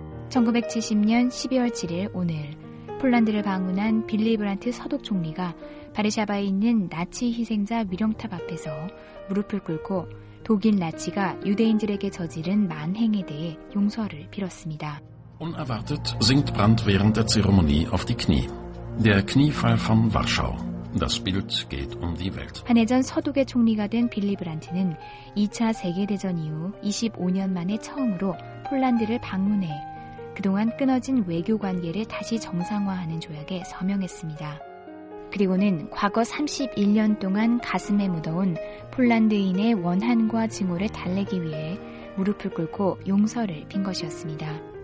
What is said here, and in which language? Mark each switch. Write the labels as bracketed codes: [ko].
[ko] 1970년 12월 7일 오늘 폴란드를 방문한 빌리 브란트 서독 총리가 바르샤바에 있는 나치 희생자 위령탑 앞에서 무릎을 꿇고 독일 나치가 유대인들에게 저지른 만행에 대해 용서를 빌었습니다. [de] Unerwartet sinkt Brandt während der Zeremonie auf die Knie. Der Kniefall von Warschau. Das Bild geht um die Welt. [ko] 한 해 전 서독의 총리가 된 빌리 브란트는 2차 세계대전 이후 25년 만에 처음으로 폴란드를 방문해 그동안 끊어진 외교 관계를 다시 정상화하는 조약에 서명했습니다. 그리고는 과거 31년 동안 가슴에 묻어온 폴란드인의 원한과 증오를 달래기 위해 무릎을 꿇고 용서를 빈 것이었습니다.